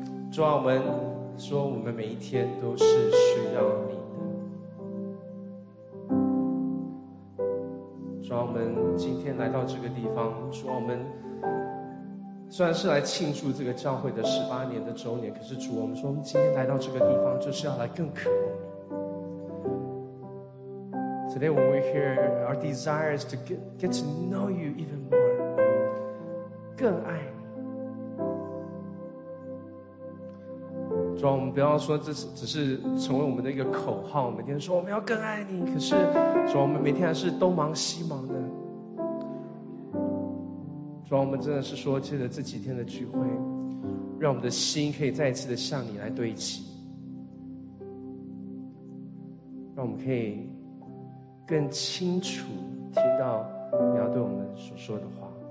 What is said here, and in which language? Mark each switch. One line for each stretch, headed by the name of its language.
Chinese: 主啊，我们说我们每一天都是需要你的。主啊，我们今天来到这个地方，主啊，我们虽然是来庆祝这个教会的18年的周年，可是主，我们说我们今天来到这个地方就是要来更渴慕你。
English: Today when we're here, our desire is to get to know you even more,
Chinese: 更爱你。主，我们不要说这只是成为我们的一个口号，每天说我们要更爱你，可是主，我们每天还是东忙西忙的。主啊，我们真的是说借着这几天的聚会，让我们的心可以再一次的向你来对齐，让我们可以更清楚听到你要对我们所说的话。